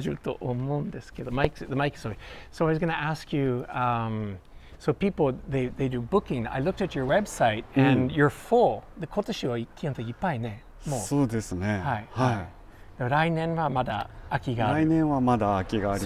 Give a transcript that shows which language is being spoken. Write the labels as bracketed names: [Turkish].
[Japanese] もうちょっと大きい声で。すみません。エミコから指示があったんですけども。大きい声。はい、マイクは大丈夫と思うんですけど、マイク、マイク、sorry. [English] So I was going to ask you, so people, they do booking. I looked at your website and you're full. [Japanese] で、 今年は基本的にいっぱいね。もう。そうですね。はい。来年はまだ空きがある。来年はまだ空きがあります。